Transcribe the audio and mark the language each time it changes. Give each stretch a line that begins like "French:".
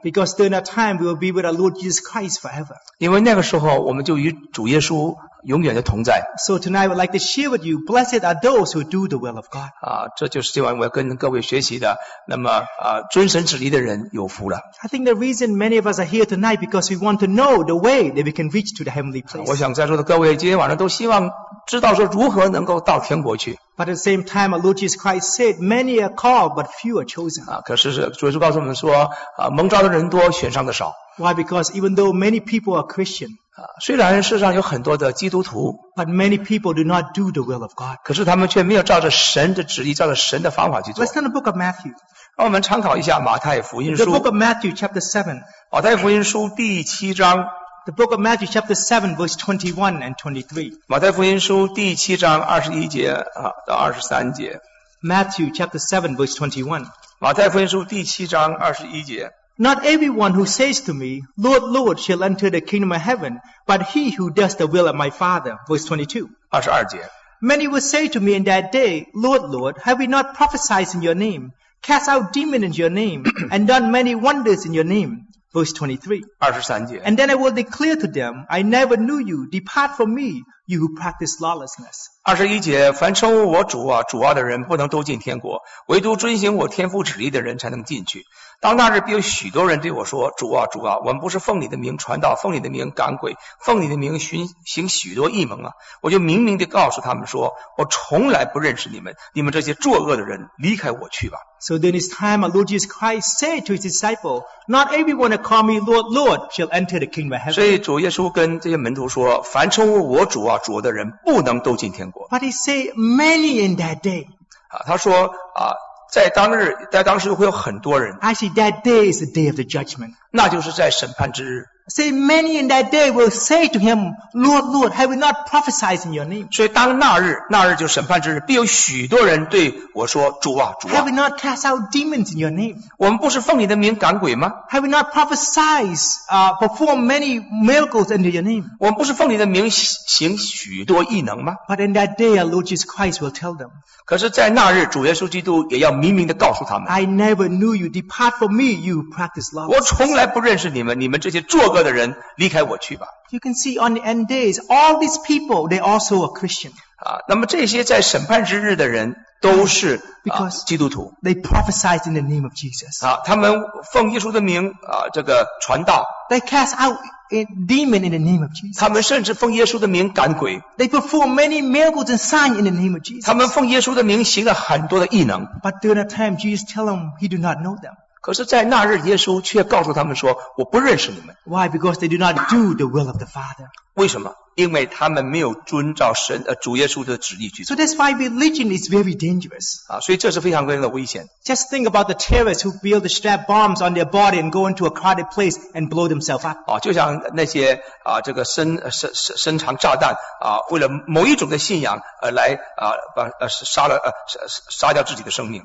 English: Because during that time we will be with our Lord Jesus Christ forever.
Chinese: 因为那个时候我们就与主耶稣永远的同在。
English: So tonight I would like to share with you, blessed are those who do the will of God.
Chinese: 这就是今晚我要跟各位学习的。那么遵神旨意的人有福了。
English: I think the reason many of us are here tonight because we want to know the way that we can reach to the heavenly place.
Chinese: 我想在座的各位今天晚上都希望知道说如何能够到天国去。
English: But at the same time, our Lord Jesus Christ said, many are called, but few are chosen.
Chinese: 可是主耶稣告诉我们说蒙召的人多，选上的少。
English: Why? Because even though many people are Christian,
Chinese: 虽然世上有很多的基督徒
English: but many people do not do the will of God.
Chinese: 可是他们却没有照着神的旨意，照着神的方法去做。
English: Let's turn the book of Matthew.
Chinese: 让我们参考一下马太福音书。
English: The book of Matthew, chapter 7.
Chinese: 马太福音书第七章。
English: The book of Matthew chapter 7 verse 21 and 23.
Chinese: 马太福音书第七章21节到23节。
English: Matthew chapter 7 verse 21.
Chinese: 马太福音书第七章21节。
English: Not everyone who says to me, Lord, Lord, shall enter the kingdom of heaven, but he who does the will of my Father. Verse 22.
Chinese: 22节。
English: Many will say to me in that day, Lord, Lord, have we not prophesied in your name, cast out demons in your name and done many wonders in your name. Verse 23.
Chinese: 23节.
English: And then I will declare to them, I never knew you. Depart from me, you who practice lawlessness.
Chinese: 21节, 凡称呼我主啊主啊的人不能都进天国，唯独遵行我天父旨意的人才能进去。当那日必有许多人对我说，主啊主啊，我们不是奉你的名传道，奉你的名赶鬼，奉你的名行许多异能啊。我就明明地告诉他们说，我从来不认识你们，你们这些作恶的人离开我去吧。
English: So then it's time our Lord Jesus Christ said to his disciple, not everyone that call me Lord, Lord shall enter the kingdom of heaven.
Chinese: 所以主耶稣跟这些门徒说，凡称呼我主啊主啊的人不能都进天国。
English: But he said many in that day.
Chinese: 他说啊，在当日，在当时会有很多人。
English: Actually, that day is the day of the judgment.
Chinese: 那就是在审判之日。
English: Say many in that day will say to him, Lord, Lord, have we not prophesied in your name?
Chinese: 所以当那日，那日就审判之日，必有许多人对我说，主啊，主啊。
English: Have we not cast out demons in your name?
Chinese: 我们不是奉你的名赶鬼吗？
English: Have we not prophesied, perform many miracles under your name?
Chinese: 我们不是奉你的名行许多异能吗？
English: But in that day, our Lord Jesus Christ will tell them.
Chinese: 可是在那日，主耶稣基督也要明明地告诉他们。
English: I never knew you. Depart from me, you practice lawlessness.
Chinese: 我从来不认识你们，你们这些作恶的人离开我去吧。
English: You can see on the end days, all these people, they also are Christian.
Chinese: 那么这些在审判之日的人都是基督徒。
English: They prophesied in the name of Jesus.
Chinese: 他们奉耶稣的名这个传道。
English: They cast out demon in the name of Jesus.
Chinese: 他们甚至奉耶稣的名赶鬼。
English: They perform many miracles and signs in the name of Jesus.
Chinese: 他们奉耶稣的名行了很多的异能。
English: But during that time, Jesus tell them he do not know them.
Chinese: 可是在那日，耶稣却告诉他们说，我不认识你们。
English: Why? Because they do not do the will of the Father.
Chinese: 为什么？因为他们没有遵照神主耶稣的旨意去做。
English: So that's why religion is very dangerous.
Chinese: 所以这是非常非常的危险。
English: Just think about the terrorists who build the strap bombs on their body and go into a crowded place and blow themselves up.
Chinese: 就像那些这个身藏炸弹为了某一种的信仰来把杀了杀掉自己的生命。